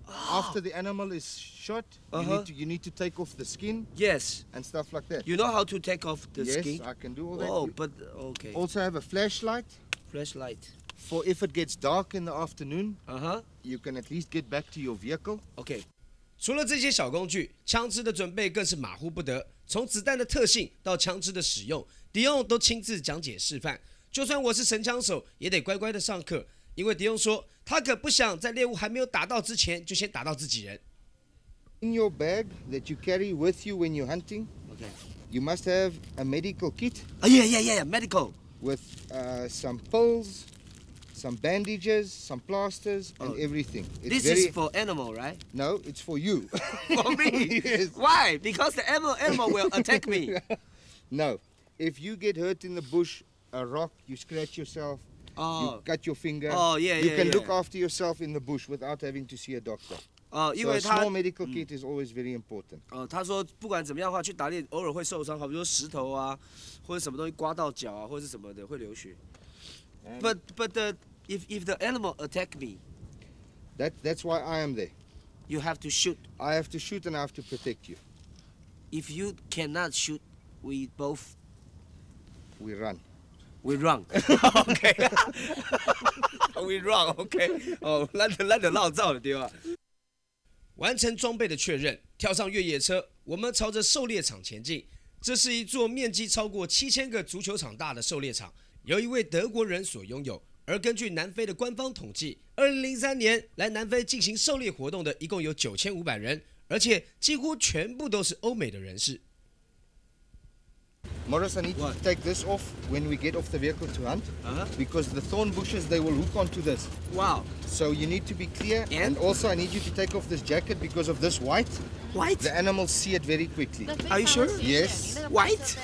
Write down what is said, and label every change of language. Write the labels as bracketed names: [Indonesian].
[English] After the animal is shot, you need to take off the skin. Yes. And stuff like that. You know how to take off the skin? Yes, I can do all that. Okay. Also have a flashlight. Flashlight. For if it gets dark in the afternoon, you can at least get back to your vehicle. Okay. [Chinese] 除了这些小工具，枪支的准备更是马虎不得。从子弹的特性到枪支的使用，迪翁都亲自讲解示范。就算我是神枪手，也得乖乖的上课，因为迪翁说他可不想在猎物还没有打到之前就先打到自己人。 [English] In your bag that you carry with you when you're hunting, you must have a medical kit. Yeah, medical. With some pills, some bandages, some plasters, and everything. This is for animal, right? No, it's for you. For me? Yes. Why? Because the animal will attack me. No. If you get hurt in the bush, a rock, you scratch yourself, you cut your finger, look after yourself in the bush without having to see a doctor. So a small medical kit is always very important. [Chinese] 他说不管怎么样的话，去打猎偶尔会受伤，好比说石头啊，或者什么东西刮到脚啊，或者什么的会流血。 [English] But if the animal attack me, that's why I am there. You have to shoot. I have to shoot and I have to protect you. If you cannot shoot, we both. We run. We run. Okay. We run. Okay. [Chinese] 懒得闹造了，对吧？完成装备的确认，跳上越野车，我们朝着狩猎场前进。这是一座面积超过7000个足球场大的狩猎场。由一位德国人所拥有，而根据南非的官方统计，2003年来南非进行狩猎活动的一共有9500人，而且几乎全部都是欧美的人士。 [English] Morris, I need to take this off when we get off the vehicle to hunt, because the thorn bushes they will hook onto this. Wow. So you need to be clear, and also I need you to take off this jacket because of this white. White. The animals see it very quickly. Are you sure? Yes. White.